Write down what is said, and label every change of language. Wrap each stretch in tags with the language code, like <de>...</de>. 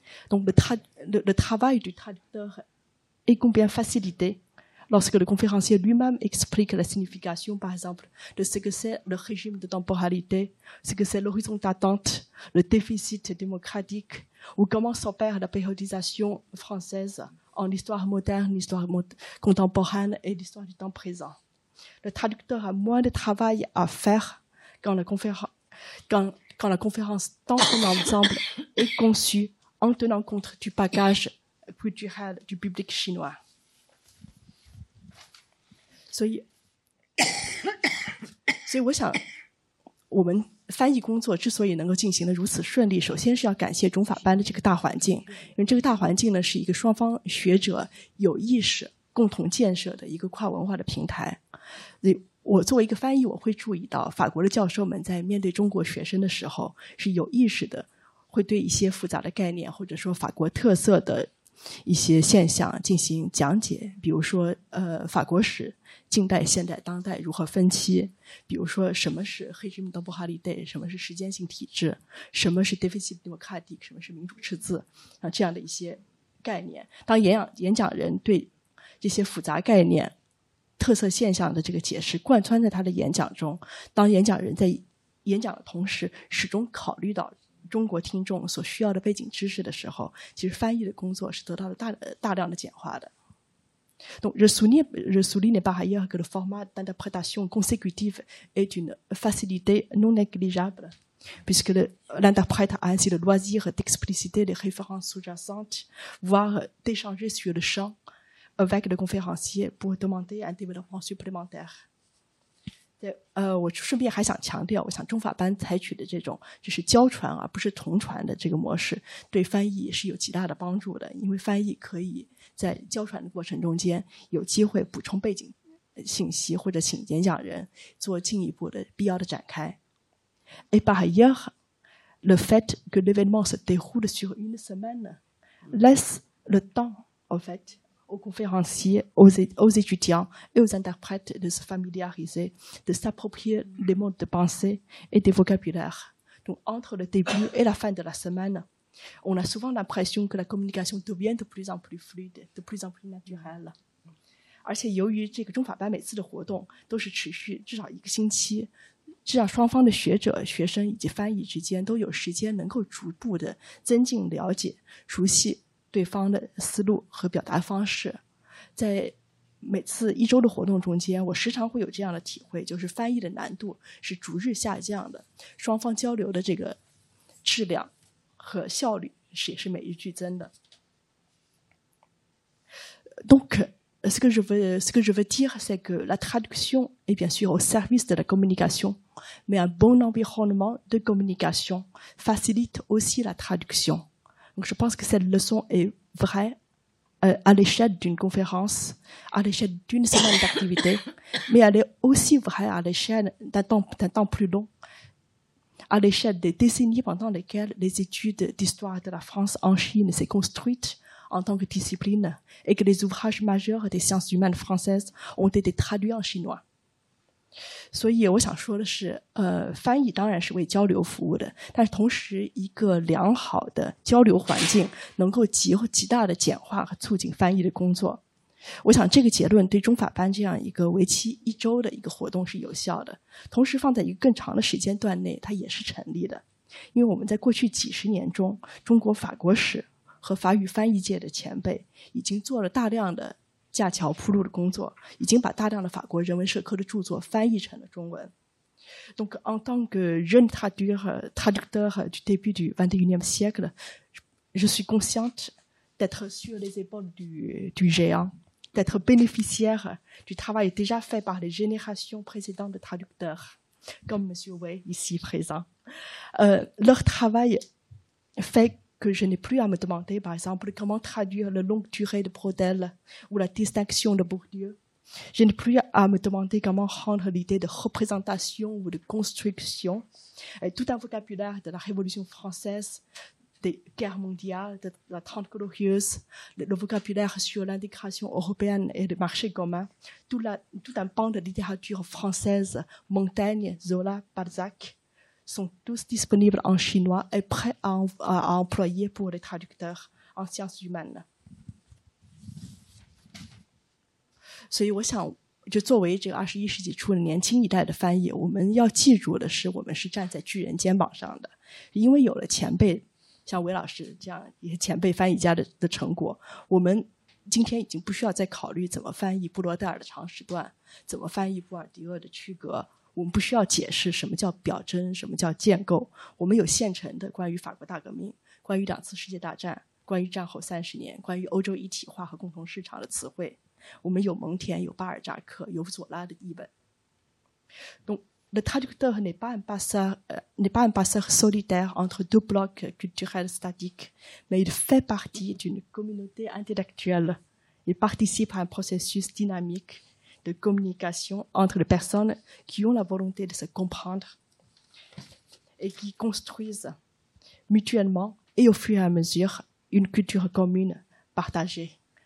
<fr>Donc le travail du traducteur est combien facilité lorsque le conférencier lui-même explique la signification, par exemple, de ce que c'est le régime de temporalité, ce que c'est l'horizon d'attente, le déficit démocratique, ou comment s'opère la périodisation française en histoire moderne, histoire contemporaine et l'histoire du temps présent. Le traducteur a moins de travail à faire quand la conférence dans son ensemble est conçue en tenant compte du bagage culturel du public chinois. Donc,</fr> <zh>我想我们翻译工作之所以能够进行的如此顺利，首先是要感谢中法班的这个大环境，因为这个大环境呢是一个双方学者有意识共同建设的一个跨文化的平台。我作为一个翻译，我会注意到法国的教授们在面对中国学生的时候是有意识的会对一些复杂的概念或者说法国特色的一些现象进行讲解，比如说法国史、近代、现代、当代如何分期，比如说什么是</zh> <fr>régime de temporalité，</fr> <zh>什么是时间性体制，什么是</zh> <fr>déficit démocratique，</fr> <zh>什么是民主赤字，这样的一些概念。当演讲人对这些复杂概念特色现象的这个解释贯穿在他的演讲中，当演讲人在演讲的同时始终考虑到中国听众所需要的背景知识的时候，其实翻译的工作是得到了 大量的简化的。</zh> <fr>Donc, je souligne par ailleurs que le format d'interprétation consécutive est une facilité non négligeable, puisque l'interprète a ainsi le loisir d'expliciter les références sous-jacentes, voire d'échanger sur le champ avec le conférencier pour demander un développement supplémentaire.</fr> <zh>我顺便还想强调，我想中法班采取的这种就是交传而不是同传的这个模式，对翻译是有极大的帮助的，因为翻译可以在交传的过程中间有机会补充背景信息或者请演讲人做进一步的必要的展开。</zh> <fr>Et par ailleurs, le fait que l'événement se déroule sur une semaine laisse le temps en fait. Aux conférenciers, aux étudiants et aux interprètes de se familiariser, de s'approprier des modes de pensée et des vocabulaires. Donc, entre le début et la fin de la semaine, on a souvent l'impression que la communication devient de plus en plus fluide, de plus en plus naturelle. Et puis,</fr> <zh>由于这个中法班每次的活动都是持续至少一个星期，这样双方的学者、学生以及翻译之间都有时间能够逐步的增进了解、熟悉。对方的思路和表达方式，在每次一周的活动中间，我时常会有这样的体会，就是翻译的难度是逐日下降的，双方交流的这个质量和效率也是每日俱增的。</zh> <fr>Donc, ce que je veux dire, c'est que la traduction est bien sûr au service de la communication, mais un bon environnement de communication facilite aussi la traductionDonc, je pense que cette leçon est vraie à l'échelle d'une conférence, à l'échelle d'une semaine d'activité, mais elle est aussi vraie à l'échelle d'un temps plus long, à l'échelle des décennies pendant lesquelles les études d'histoire de la France en Chine s'est construite en tant que discipline et que les ouvrages majeurs des sciences humaines françaises ont été traduits en chinois.</fr> <zh>所以我想说的是，翻译当然是为交流服务的，但是同时一个良好的交流环境能够极大的简化和促进翻译的工作。我想这个结论对中法班这样一个为期一周的一个活动是有效的，同时放在一个更长的时间段内它也是成立的，因为我们在过去几十年中，中国法国史和法语翻译界的前辈已经做了大量的架桥铺路的工作，已经把大量的法国人文社科的著作翻译成了中文。</zh> <fr>Donc, en tant que jeune traducteur du début du XXIe siècle, je suis consciente d'être sur les épaules du géant, d'être bénéficiaire du travail déjà fait par les générations précédentes de traducteurs, comme M. Wei, ici présent. Leur travail fait que je n'ai plus à me demander, par exemple, comment traduire la longue durée de Braudel ou la distinction de Bourdieu. Je n'ai plus à me demander comment rendre l'idée de représentation ou de construction, et tout un vocabulaire de la Révolution française, des guerres mondiales, de la Trente Glorieuse, le vocabulaire sur l'intégration européenne et le marché commun, tout un pan de littérature française, Montaigne, Zola, Balzac,sont tous disponibles en chinois et prêts à employer pour les traducteurs en sciences humaines.</fr> <zh>所以我想，就作为这个二十一世纪初的年轻一代的翻译，我们要记住的是，我们是站在巨人肩膀上的，因为有了前辈像韦老师这样一些前辈翻译家的成果，我们今天已经不需要再考虑怎么翻译布罗代尔的长时段，怎么翻译布尔迪厄的区隔。我们不需要解释什么叫表征，什么叫建构，我们有现成的关于法国大革命、关于两次世界大战、关于战后三十年、关于欧洲一体化和共同市场的词汇，我们有蒙田、有巴尔扎克、有左拉的译本。</zh> <fr>Donc, le traducteur n'est pas un passeur solitaire entre deux blocs culturels statiques, mais il fait partie d'une communauté intellectuelle. Il participe à un processus dynamiquede communication entre les personnes qui ont la volonté de se comprendre et qui construisent mutuellement et au fur et à mesure une culture commune partagée.</fr>